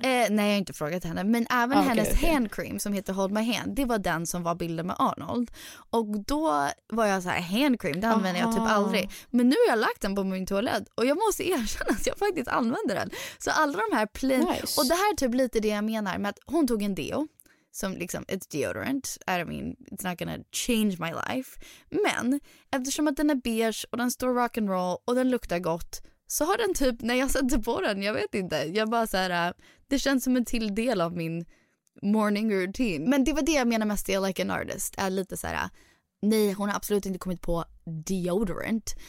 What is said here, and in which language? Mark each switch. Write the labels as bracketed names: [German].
[Swedish] Nej, jag har inte frågat henne. Men även hennes hand cream som heter Hold My Hand, det var den som var bilden med Arnold. Och då var jag så här, hand cream, det använder jag typ aldrig. Men nu har jag lagt den på min toalett och jag måste erkänna att jag faktiskt använder den. Så alla de här nice. Och det här är typ lite det jag menar med att hon tog en deo. Som liksom, [English] it's deodorant. I mean, it's not gonna change my life. [Swedish] Men, eftersom att den är beige och den står rock and roll och den luktar gott, så har den typ, när jag sätter på den, jag vet inte, jag bara så här, det känns som en till del av min morning routine. Men det var det jag menar med Still Like an Artist. Är lite så här, nej, hon har absolut inte kommit på deodorant.